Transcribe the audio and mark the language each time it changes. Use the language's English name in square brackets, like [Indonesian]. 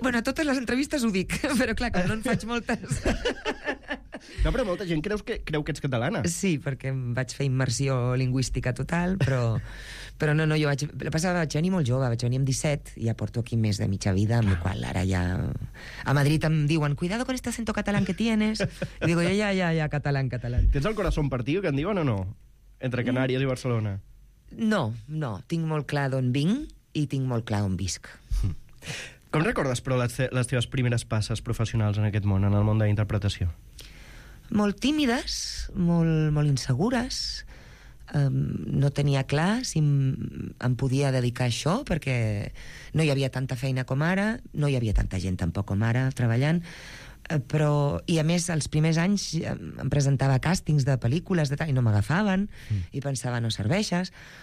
[Catalan] Bueno, a totes les entrevistes ho dic, però clar, que no en faig moltes. No, però molta gent creu que ets catalana. Sí, perquè vaig fer immersió lingüística total, però no, jo vaig... La passada vaig venir molt jove, vaig venir amb 17, i ja porto aquí més de mitja vida, amb la qual ara ja... A Madrid em diuen, [Spanish] cuidado con este acento catalán que tienes. [Catalan] I digo, ja, catalán. Tens [Spanish] el corazón partido, [Catalan] que en diuen, o no? Entre Canàries i Barcelona. No, tinc molt clar d'on vinc i tinc molt clar on visc. Com recordes, però, les teves primeres passes professionals en aquest món, en el món de la interpretació? Molt tímides, molt insegures. No tenia clar si em podia dedicar a això, perquè no hi havia tanta feina com ara, no hi havia tanta gent tampoc com ara treballant, però, i a més, els primers anys em presentava càstings de pel·lícules de tal, i no m'agafaven, i pensava, no serveixes.